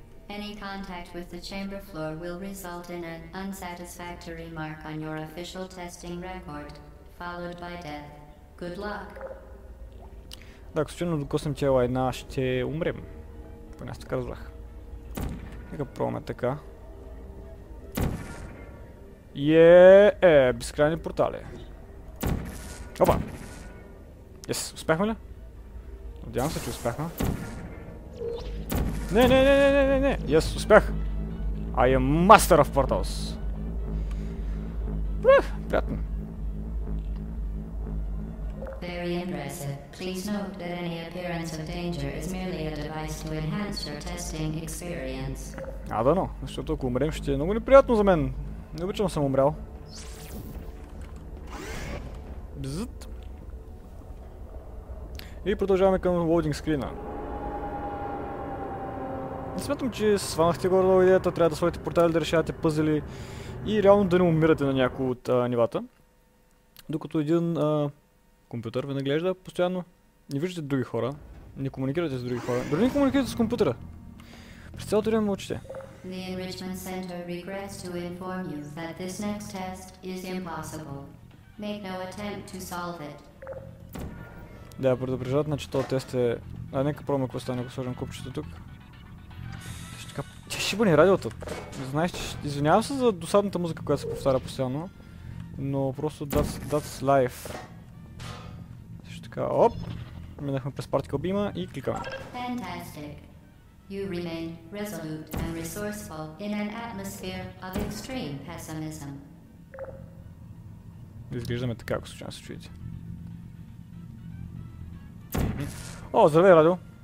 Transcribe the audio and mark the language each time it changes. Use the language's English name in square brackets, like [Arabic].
[English] Any contact with the chamber floor will result in an unsatisfactory mark on your official testing record, followed by death. Good luck. [Bulgarian] Да, ако случайно докоснем тяло една, ще умрем. Поне аз така разбрах. Нека пробваме така. Е, безкрайни портали. Опа! Yes, успяхме ли? Надявам се, че успяхме. Не, не, не, не, не, не, не. Аз успях. [English] I am master of portals. [Bulgarian] Ух, приятно. [English] Very impressive. Please note that any appearance of danger is merely a device to enhance your testing experience. [Bulgarian] А, да, но. Защото ако умрем, ще е много неприятно за мен. Не обичам съм умрял. Бззът. И продължаваме към лоудинг скрина. Не смятам, че сванахте горе-долу идеята, трябва да сложите портали, да решавате пъзели и реално да не умирате на някои от нивата. Докато един компютър ви наглежда постоянно, не виждате други хора, не комуникирате с други хора. Дори не комуникирате с компютъра. През цялото време мълчите. [English] The Enrichment Center regrets to inform you that this next test is impossible. Make no attempt to solve it. [Bulgarian] Да, предупреждат, значи този тест е... А, нека пробваме какво стане, ако сложим купчето тук. Ти ще бъде радиото. Знаеш, че... Извинявам се за досадната музика, която се повтаря постоянно. Но просто [English] that's life. [Bulgarian] Също така, оп! Минахме през партикъл бима и кликаме. [English] Fantastic. You remain resolute and resourceful in an atmosphere of extreme pessimism. [Bulgarian] Изглеждаме така, ако случайно се чуете. О, здравей, радио!